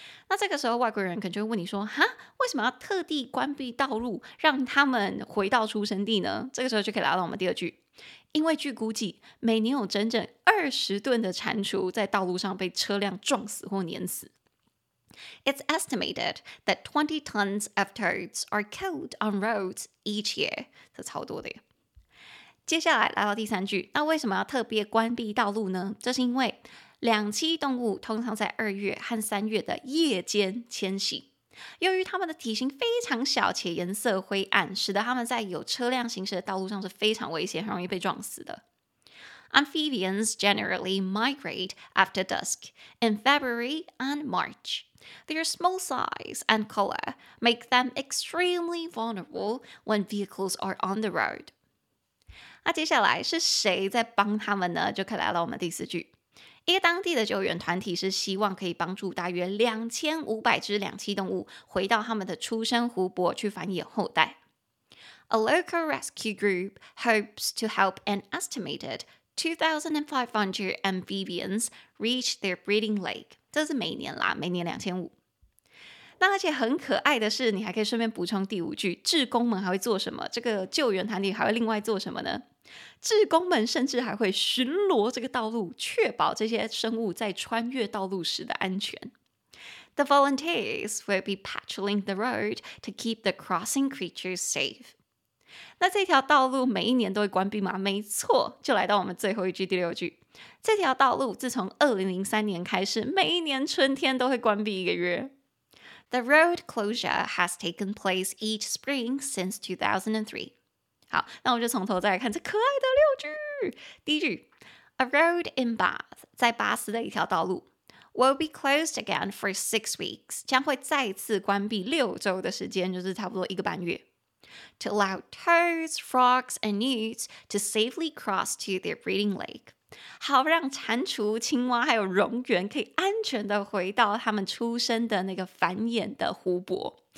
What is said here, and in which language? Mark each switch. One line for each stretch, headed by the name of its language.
Chinese: 那这个时候外国人可能就会问你说，哈，为什么要特地关闭道路让他们回到出生地呢？这个时候就可以来到我们第二句，因为据估计每年有整整20吨的蟾蜍在道路上被车辆撞死或碾死。
English: It's estimated that 20 tons of toads are killed on roads each year.
Chinese: 这超多的。接下来来到第三句，那为什么要特别关闭道路呢？这是因为两栖动物通常在2月和3月的夜间迁徙。由于它们的体型非常小且颜色灰暗，使得它们在有车辆行驶的道路上是非常危险，很容易被撞死的。
English: Amphibians generally migrate after dusk in February and March. Their small size and color make them extremely vulnerable when vehicles are on the road.
Chinese: 那接下来是谁在帮他们呢？就可以来到我们第四句。一个当地的救援团体是希望可以帮助大约2500只两栖动物回到他们的出生湖泊去繁衍后代。
English: A local rescue group hopes to help an estimated 2,500 amphibians reach their breeding lake.
Chinese: 这是每年啦，每年2500。那而且很可爱的是，你还可以顺便补充第五句，志工们还会做什么？这个救援团体还会另外做什么呢？志工们甚至还会巡逻这个道路，确保这些生物在穿越道路时的安全。
English: The volunteers will be patrolling the road to keep the crossing creatures safe.
Chinese: 那这条道路每一年都会关闭吗？没错，就来到我们最后一句第六句。这条道路自从2003年开始，每一年春天都会关闭一个月。
English: The road closure has taken place each spring since 2003.
Chinese: 好，那我就从头再来看这可爱的六句。第一句
English: ，A road in Bath
Chinese: 在巴斯的一条道路
English: will be closed again for 6 weeks，
Chinese: 将会再次关闭六周的时间，就是差不多一个半月
English: ，to allow toads, frogs, and newts to safely cross to their breeding lake，
Chinese: 好让蟾蜍、青蛙还有蝾螈可以安全的回到他们出生的那个繁衍的湖泊。